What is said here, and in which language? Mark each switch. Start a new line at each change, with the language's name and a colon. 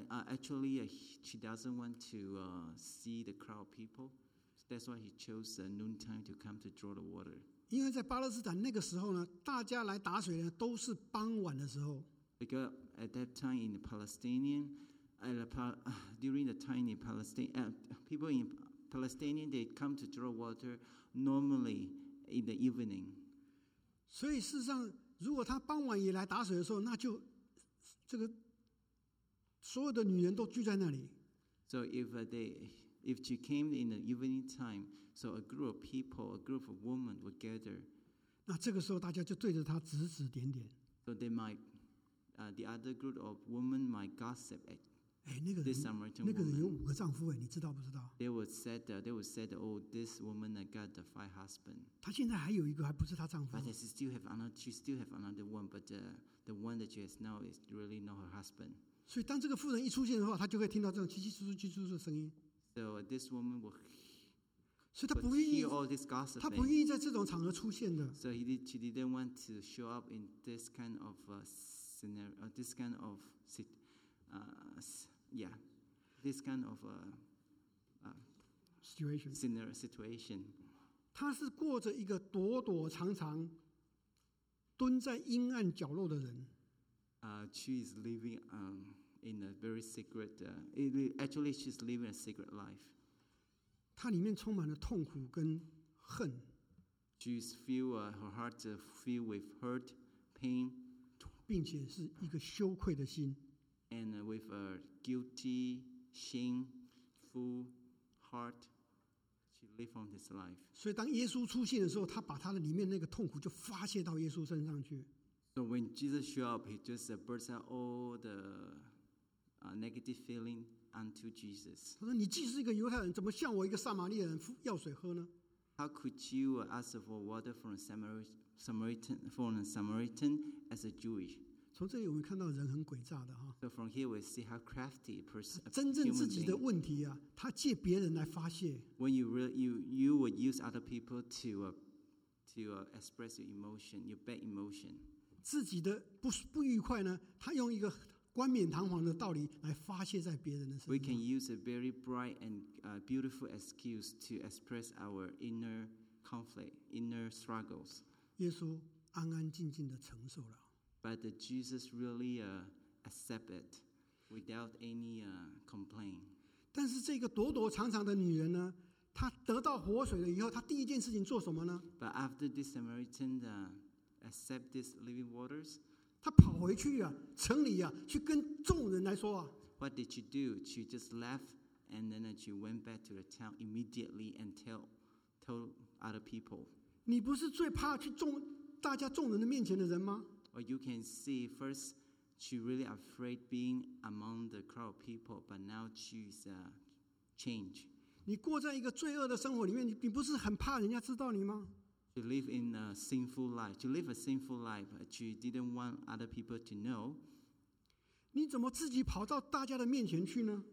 English: Actually, she doesn't want to see the crowd people. That's why he chose the noontime to come to draw the water.
Chinese: 因为在巴勒斯坦那个时候呢，大家来打水呢都是傍晚的时候。
English: Because at that time in the Palestinian, during the time in Palestine, people in Palestinian they come to draw water normally in the evening.
Chinese: 所以事实上，如果他傍晚也来打水的时候，那就这个所有的女人都聚在那里。
English: So if she came in the evening time, so a group of people, a group of women would gather.
Chinese: 那这个时候大家就对着他指指点点。
English: So they might. The other group of women might gossip at this Samaritan woman.
Chinese: 那个人有五个丈夫，你知道不知道？
English: They would say, oh, this woman got the five husbands.
Chinese: 她现在还有一个，还不是她丈夫。
English: But she still have another one, but the one that she has now is really not her husband.
Chinese: 所以当这个妇人一出现的话，她就会听到这种叽叽咕咕、叽叽咕咕的声音。
English: So this woman would.
Chinese: 所以她不愿意。
English: Hear all this gossip.
Chinese: 她不愿意在这种场合出现的。
English: So she didn't want to show up in this kind of scenario, this kind of situation.
Chinese: 他是过着一个躲躲藏藏、蹲在阴暗角落的人。
English: She is living in a very secret. Actually, she's living a secret life.
Chinese: 他里面充满了痛苦跟恨。
English: She's filled her heart filled with hurt, pain.
Chinese: 并且是一个羞愧的心
English: and with a guilty, shameful heart, she lived on this life.
Chinese: 所以当耶稣出现的时候，他把他的里面那个痛苦就发泄到耶稣身上去。
English: So when Jesus showed up, he just burst out all the negative feeling unto Jesus.
Chinese: 他说：“你既是一个犹太人，怎么向我一个撒玛利亚人要水喝呢？”
English: How could you ask for water from a Samaritan as a Jewish?
Chinese: 从这里我们看到人很诡诈的哈。
English: So from here we see how crafty a person.
Chinese: 真正自己的问题啊，他借别人来发泄。
English: When you would use other people to express your emotion, your bad emotion.
Chinese: 自己的不愉快呢，他用一个冠冕堂皇的道理来发泄在别人的身上。
English: We can use a very bright and beautiful excuse to express our inner conflict, inner struggles.
Chinese: 耶稣安安静静的承受了。
English: But Jesus really accept it without any complaint.
Chinese: 但是这个躲躲藏藏的女人呢，她得到活水了以后，她第一件事情做什么呢？
English: But after this Samaritan accept this living waters.
Chinese: 他跑回去啊，城里啊，去跟众人来说啊。
English: What did she do? She just left, and then she went back to the town immediately and told other people.
Chinese: 你不是最怕去大家众人的面前的人吗？
English: Well, you can see first she really afraid being among the crowd of people, but now she's changed.
Chinese: 你过在一个罪恶的生活里面，你不是很怕人家知道你吗？
English: She live in a sinful life. She live a sinful life. She didn't want other people to know.
Chinese: 你怎么自己跑到大家的面前去呢？